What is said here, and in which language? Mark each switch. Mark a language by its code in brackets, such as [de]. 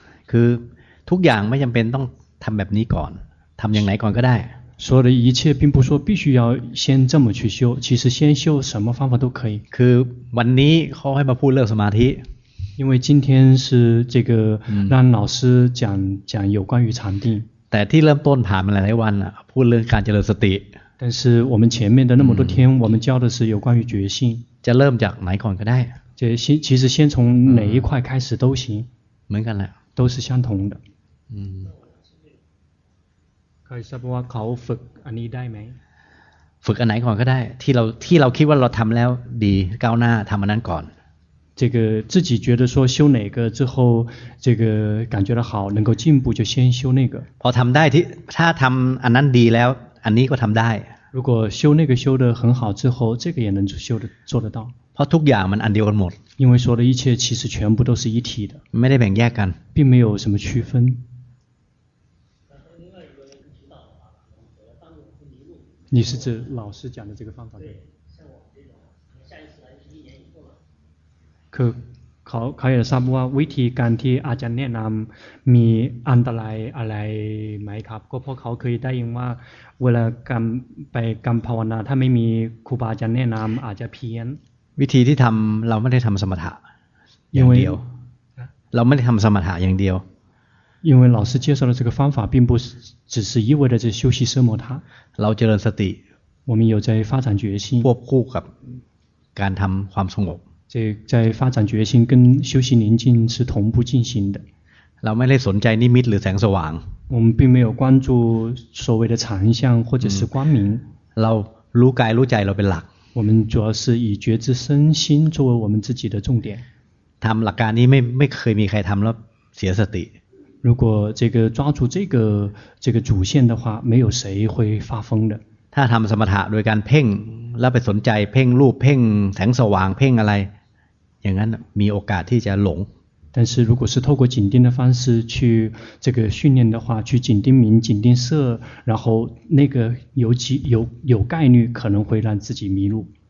[th] คือทุกอย่างไม่จำเป็นต้องทำแบบนี้ก่อนทำอย่างไหนก่อนก็ได้ [zh] 所有的一切并不说必须要先这么去修其实先修什么方法都可以 [th] คือวันนี้เขาให้มาพูดเรื่องสมาธิ [zh] 因为今天是这个让老师讲有关于禅定 [th] แต่ที่เริ่มต้นผ่านมาหลายวันแล้วพูดเรื่องการเจริญสติ [zh] 但是我们前面的那么多天我们教的是有关于觉性 [th] จะเริ่มจากไหนก่อนก็ได้ [zh] 这其实先从哪一块开始都行 [th] เหมือนกันแหละ [zh] 都是相同的嗯可以说 [th] ว่าเขาฝึกอันนี้ได้ไหม ฝึกอันไหนก่อนก็ได้ที่เราคิดว่าเราทำแล้วดีก้าวหน้าทำอันนั้นก่อน [zh] 这个自己觉得说修哪个之后这个感觉得好能够进步就先修那个 [th] พอทำได้ที่ถ้าทำอันนั้นดีแล้วอันนี้ก็ทำได้ [zh] 如果修那个修得很好之后这个也能修得做得到 [th] เพราะทุกอย่างมันอันเดียวกันหมด [zh] 因为说的一切其实全部都是一体的 [th] ไม่ได้แบ่งแยกกัน [zh] 并没有什么区分你是指老师讲的这个方法对 [th] คือเขาอยากทราบว่าวิธีการที่อาจารย์แนะนำมีอันตรายอะไรไหมครับก็เพราะเขาเคยได้ยินว่าเวลากรรมไปกรรมภาวนาถ้าไม่มีครูบาอาจารย์แนะนำอาจจะเพี้ยน วิธีที่ทำเราไม่ได้ทำสมถะอย่างเดียวเราไม่ได้ทำสมถะอย่างเดียว [zh] 因为老师介绍的这个方法并不只是意味着在修习奢摩他 [th] เราเจริญสติ [zh] 我们有在发展决心 [th] ควบคู่กับการทำความสงบ [zh] 在发展决心跟修习宁静是同步进行的 [th] เราไม่ได้สนใจนิมิตหรือแสงสว่าง [zh] 我们并没有关注所谓的禅相或者是光明 [th] เรารู้กายรู้ใจเราเป็นหลัก [zh] 我们主要是以觉知身心作为我们自己的重点 [th] ทำหลักการนี้ไม่เคยมีใครทำแล้วเสียสติ [zh] 如果这个抓住这个主线的话没有谁会发疯的 [th] ถ้าทำสมถะโดยการเพ่งแล้วไปสนใจเพ่งรูปเพ่งแสงสว่างเพ่งอะไรอย่างนั้นมีโอกาสที่จะหลง [zh] 但是如果是透过紧盯的方式去这个训练的话，去紧盯明、紧盯色，然后那个有概率可能会让自己迷路。